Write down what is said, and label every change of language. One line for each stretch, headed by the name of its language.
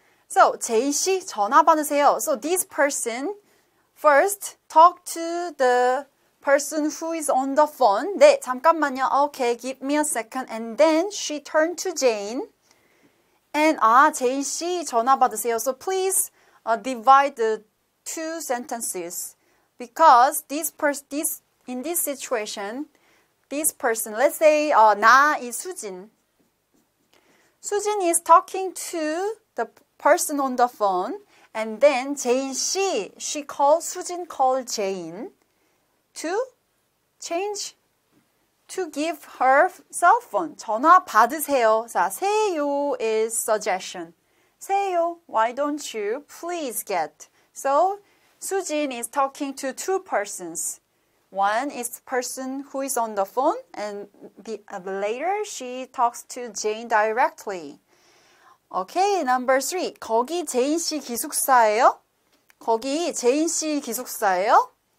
Korean: So, 제인 씨 전화 받으세요.
English: So, this person first talk to the person who is on the phone.
Korean: 네, 잠깐만요.
English: Okay, give me a second. And then she turned to Jane. And,
Korean: 아, 제인 씨 전화 받으세요.
English: So, please divide the two sentences. Because in this situation, this person, let's say, 나 is 수진. 수진 is talking to the person on the phone. And then, 제인 씨, she calls, 수진 called Jane to change, to give her cell phone.
Korean: 전화 받으세요. 자, 세요
English: is suggestion. 세요, why don't you please get? So, 수진 is talking to two persons. One is the person who is on the phone, and later she talks to Jane directly. Okay, number three.
Korean: 거기 제인 씨 기숙사예요? 거기 제인 씨 기숙사예요?